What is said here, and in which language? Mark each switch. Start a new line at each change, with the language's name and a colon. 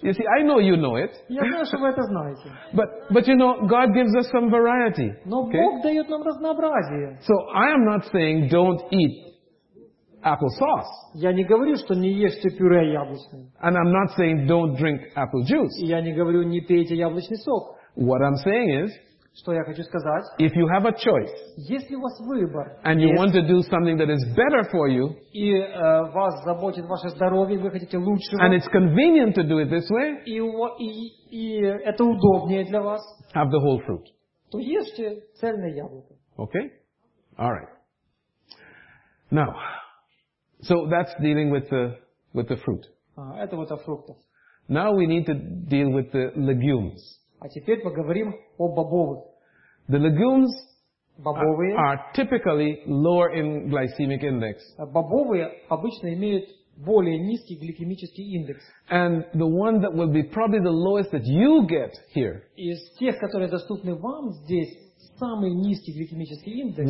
English: You see, I know you know it.
Russian: Я знаю, что вы это знаете.
English: But you know, God gives us some variety.
Russian: Но Бог дает нам разнообразие.
English: So I am not saying don't eat apple sauce.
Russian: Я не говорю, что не ешьте пюре яблочное.
English: And I'm not saying don't drink apple juice.
Russian: Я не говорю, не пейте яблочный сок.
English: What I'm saying is,
Russian: что я хочу сказать,
English: if you have a choice,
Russian: если у вас выбор,
English: and you want to do something that is better for you,
Russian: и вас заботит ваше здоровье, вы хотите лучшего,
English: and it's convenient to do it this way,
Russian: и это удобнее для вас,
English: have the whole fruit.
Russian: То ешьте цельное яблоко.
English: Okay? All right. Now, so that's dealing with the fruit.
Russian: Это вот о фруктах.
English: Now we need to deal with the legumes.
Russian: А теперь поговорим о бобовых.
English: The legumes
Russian: бобовые
English: are typically lower in glycemic index.
Russian: Бобовые обычно имеют более низкий гликемический индекс.
English: And the one that will be probably the lowest that you get here.
Russian: Из тех, которые доступны вам здесь, самый низкий гликемический индекс